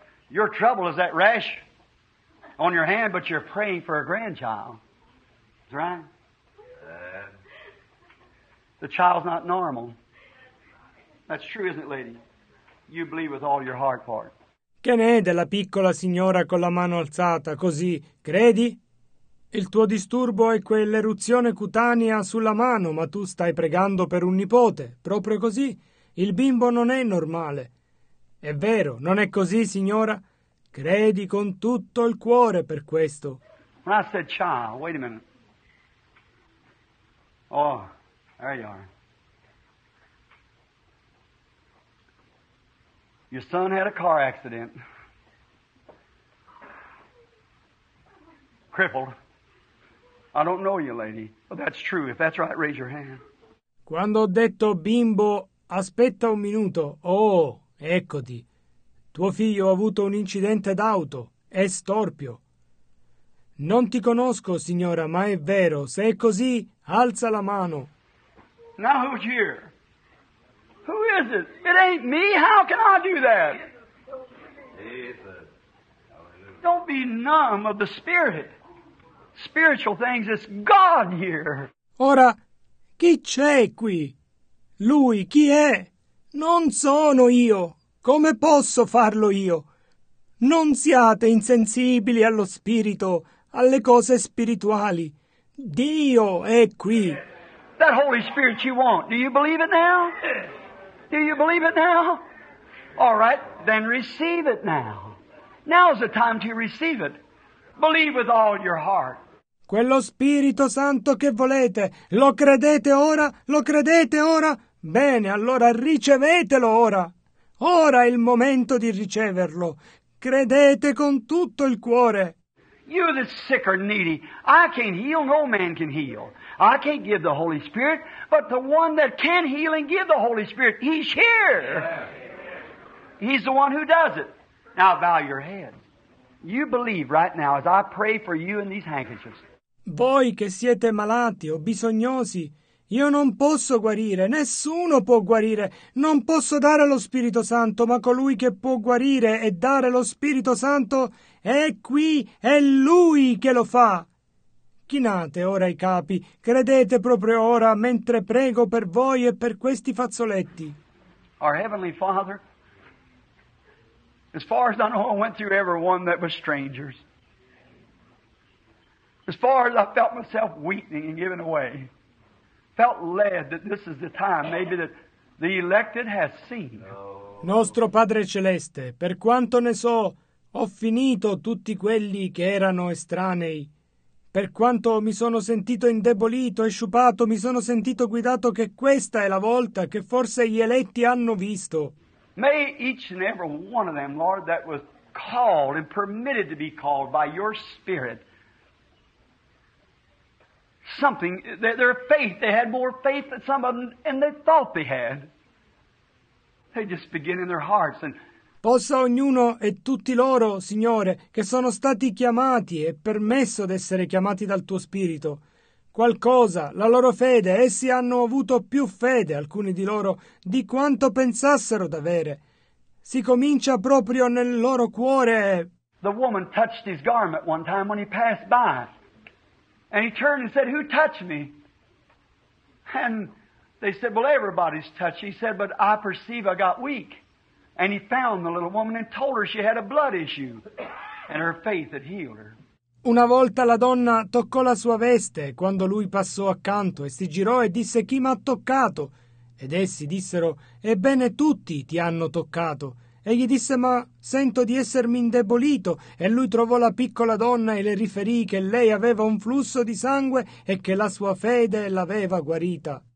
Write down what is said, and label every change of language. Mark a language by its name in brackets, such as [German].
[English] Your trouble is that rash on your hand, but you're praying for a grandchild. Is that right? The child's not normal. That's true, isn't it, lady? You believe with all your heart for it. [Italian] Che ne è della piccola signora con la mano alzata, così? Credi? Il tuo disturbo è quell'eruzione cutanea sulla mano, ma tu stai pregando per un nipote. Proprio così? Il bimbo non è normale. È vero, non è così, signora? Credi con tutto il cuore per questo. [English] When I said child, wait a minute. Oh, there you are. Your son had a car accident. Crippled. I don't know you, lady. But that's true. If that's right, raise your hand. [Italian] Quando ho detto bimbo, aspetta un minuto. Oh, eccoti. Tuo figlio ha avuto un incidente d'auto. È storpio. Non ti conosco, signora, ma è vero. Se è così, alza la mano. [English] Now who's here? Who is it? It ain't me. How can I do that? Jesus. Don't be numb of the spirit. Spiritual things, it's God here. [Italian] Ora, chi c'è qui? Lui, chi è? Non sono io. Come posso farlo io? Non siate insensibili allo spirito, alle cose spirituali. Dio è qui. [English] That Holy Spirit you want, do you believe it now? Do you believe it now? All right, then receive it now. Now's the time to receive it. Believe with all your heart. [Italian] Quello Spirito Santo che volete, lo credete ora? Lo credete ora? Bene, allora ricevetelo ora. Ora è il momento di riceverlo. Credete con tutto il cuore. [English] You the sick or needy, I can't heal, no man can heal. I can't give the Holy Spirit, but the one that can heal and give the Holy Spirit, he's here. He's the one who does it. Now bow your head. You believe right now as I pray for you in these handkerchiefs. [Italian] Voi che siete malati o bisognosi, io non posso guarire, nessuno può guarire, non posso dare lo Spirito Santo, ma colui che può guarire e dare lo Spirito Santo è qui, è Lui che lo fa. Chinate ora i capi, credete proprio ora, mentre prego per voi e per questi fazzoletti. [English] Our Heavenly Father, as far as I know, I went through every one that was strangers. As far as I felt myself weakening and giving away, felt led that this is the time, maybe that the elected has seen. [Italian] Nostro Padre Celeste, per quanto ne so, ho finito tutti quelli che erano estranei. Per quanto mi sono sentito indebolito e sciupato, mi sono sentito guidato che questa è la volta che forse gli eletti hanno visto. [English] May each and every one of them, Lord, that was called and permitted to be called by your Spirit, something, their faith, they had more faith than some of them, and they thought they had. They just begin in their hearts and [Italian] possa ognuno e tutti loro, Signore, che sono stati chiamati e permesso d'essere chiamati dal Tuo Spirito. Qualcosa, la loro fede, essi hanno avuto più fede, alcuni di loro, di quanto pensassero d'avere. Si comincia proprio nel loro cuore. [English] The woman touched his garment one time when he passed by. And he turned and said, "Who touched me?" And they said, "Well, everybody's touched." He said, "But I perceive I got weak." And he found the little woman and told her she had a blood issue, and her faith had healed her. [Italian] Una volta la donna toccò la sua veste quando lui passò accanto e si girò e disse, "Chi m'ha toccato?" Ed essi dissero, "Ebbene, tutti ti hanno toccato." Egli disse, "Ma sento di essermi indebolito." E lui trovò la piccola donna e le riferì che lei aveva un flusso di sangue e che la sua fede l'aveva guarita.